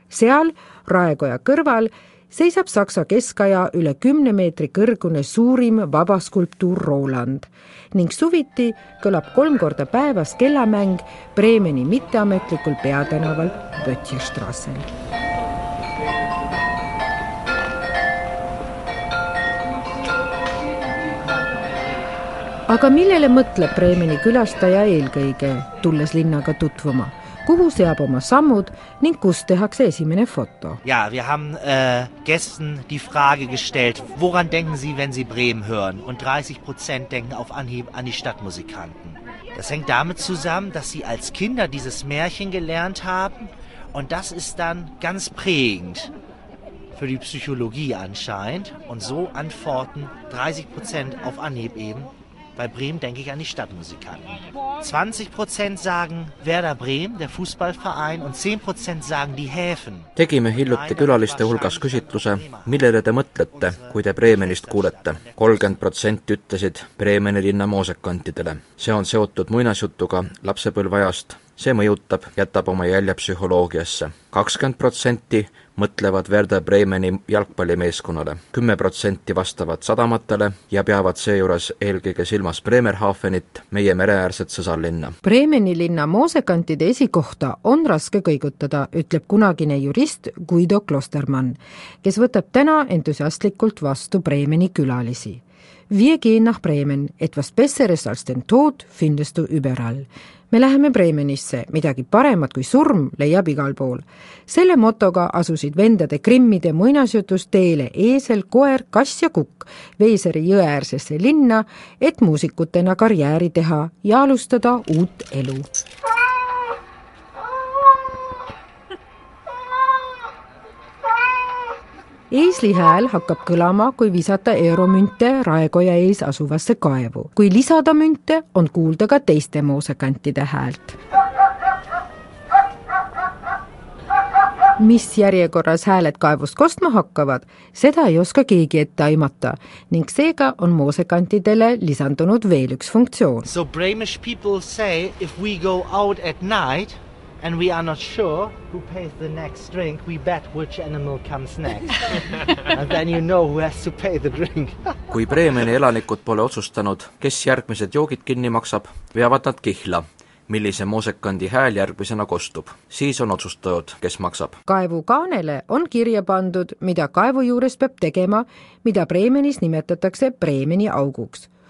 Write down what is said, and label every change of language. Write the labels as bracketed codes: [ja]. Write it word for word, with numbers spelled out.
[et] Seal, Raekoja kõrval, seisab Saksa keskaja üle kümne meetri kõrgune suurim vabaskulptuur Roland ning suviti kõlab kolm korda päevas kellamäng Bremeni mitteametlikul peatänaval Böttcherstrassel. Aga millele mõtleb Bremeni külastaja eelkõige, tulles linnaga tutvuma? Kuhu seab oma sammud ning kus tehakse esimene foto? [de] Ja, wir haben äh, Gästen die Frage gestellt, woran denken Sie, wenn Sie Bremen hören? Und dreißig Prozent denken auf Anhieb an die Stadtmusikanten. Das hängt damit zusammen, dass sie als Kinder dieses Märchen gelernt haben und das ist dann ganz prägend für die Psychologie anscheinend. Und so antworten dreißig Prozent auf Anhieb eben. Bei Bremen denke ich an die Stadtmusikanten. zwanzig Prozent sagen Werder Bremen, der Fußballverein, und zehn Prozent sagen die Häfen. [et] Tegime hiljuti külaliste hulgas küsitluse, millele te mõtlete, kui te Bremenist kuulete. kolmkümmend protsenti ütlesid Bremeni linna moosekantidele. See on seotud muinasjutuga lapsepõlvajast. See mõjutab, jätab oma jälje psühholoogiasse. kakskümmend protsenti mõtlevad Werder Bremeni jalgpallimeeskonnale, kümme protsenti vastavad sadamatele ja peavad seejuures eelkõige silmas Bremerhavenit, meie mereäärset sõsarlinna. Bremeni linna moosekantide esikohta on raske kõigutada, ütleb kunagine jurist Guido Klostermann, kes võtab täna entusiastlikult vastu Bremeni külalisi. [de] Wir gehen nach Bremen. Etwas Besseres als den Tod findest du überall. [et] Me läheme Bremenisse. Midagi paremat kui surm leiab igal pool. Selle motoga asusid vendade Krimmide muinasjutus teele eesel, koer, kass ja kukk Veeseri jõeäärsesse linna, et muusikutena karjääri teha ja alustada uut elu. Eesli hääl hakkab kõlama, kui visata euromünte Raekoja ees asuvasse kaevu. Kui lisada münte, on kuulda ka teiste moosekantide häält. Mis järjekorras hääled kaevust kostma hakkavad, seda ei oska keegi ette aimata ning seega on moosekantidele lisandunud veel üks funktsioon. [en] So Bremish people say if we go out at night and we are not sure who pays the next drink, we bet which animal comes next. And then you know who has to pay the drink. [et] Kui Bremeni elanikud pole otsustanud, kes järgmised joogid kinni maksab, veavad nad kihla, millise moosekandi hääl järgmisena kostub. Siis on otsustajad, kes maksab. Kaevu kaanele on kirja pandud, mida kaevu juures peab tegema, mida Bremenis nimetatakse Bremeni auguks.